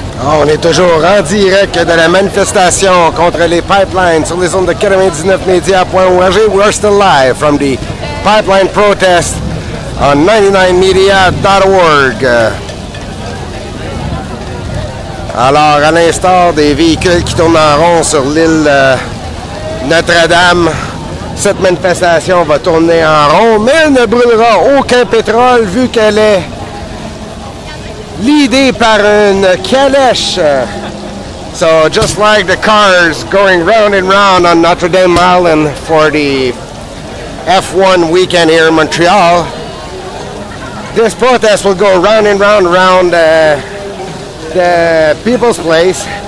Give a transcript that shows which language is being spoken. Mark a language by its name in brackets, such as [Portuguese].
[French] On est toujours en direct de la manifestation contre les pipelines sur les ondes de 99media.org. [English] We're still live from the pipeline protest on 99media.org. [French] Alors, à l'instar des véhicules qui tournent en rond sur l'île Notre-Dame, cette manifestation va tourner en rond, mais elle ne brûlera aucun pétrole vu qu'elle est leadée par une calèche. [English] So just like the cars going round and round on Notre Dame Island for the F1 weekend here in Montreal, this protest will go round and round around the people's place.